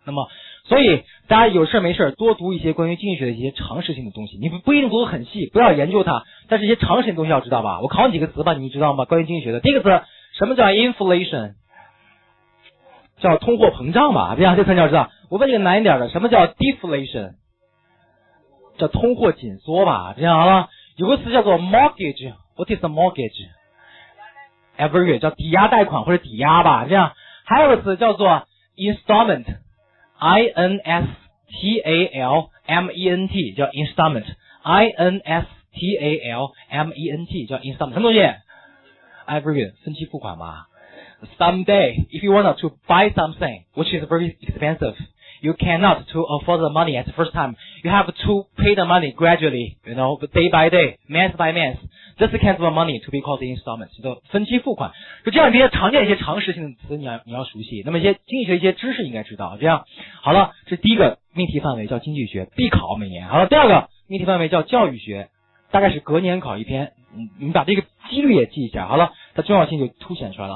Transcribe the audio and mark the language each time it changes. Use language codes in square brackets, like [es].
[zh] 那么，所以大家有事没事多读一些关于经济学的一些常识性的东西，你不一定读得很细，不要研究它，但是一些常识性的东西要知道吧？我考你几个词吧，你知道吗？关于经济学的，第一个词什么叫 inflation？叫通货膨胀吧，这样这才叫知道。我问一个难一点的，什么叫 deflation？叫通货紧缩吧，这样好了。有个词叫做 mortgage， [en] what is the mortgage？ Every year [zh] 叫抵押贷款或者抵押吧，这样。还有个词叫做 installment，instalment， 叫 installment，instalment 叫 installment， 什么东西 ？Every year 分期付款吧。 [en] Someday, if you want to buy something which is very expensive, you cannot to afford the money at the first time. You have to pay the money gradually, you know, day by day, month by month. This kind of money to be called installment, [zh] 叫做分期付款。就这样一些常见一些常识性的词，你要熟悉。那么一些经济学一些知识应该知道。这样好了，这第一个命题范围叫经济学，必考每年。好了，第二个命题范围叫教育学，大概是隔年考一篇。你把这个几率也记一下，好了，它重要性就凸显出来了。